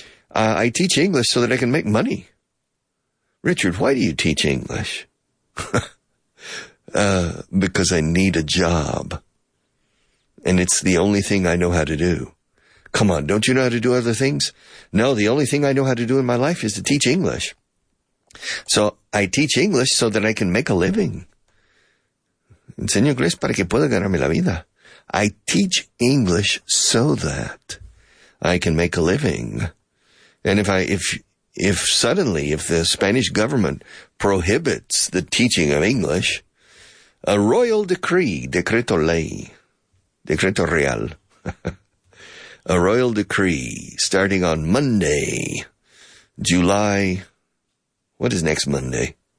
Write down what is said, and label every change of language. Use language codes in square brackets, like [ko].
[en] I teach English so that I can make money. Richard, why do you teach English? because I need a job. And it's the only thing I know how to do. Come on, don't you know how to do other things? No, the only thing I know how to do in my life is to teach English. So I teach English so that I can make a living. [es] Enseño inglés para que pueda ganarme la vida. [en] I teach English so that I can make a living. And if suddenly if the Spanish government prohibits the teaching of English, a royal decree, [es] decreto ley, decreto real, [en] a royal decree starting on Monday, July, what is next Monday?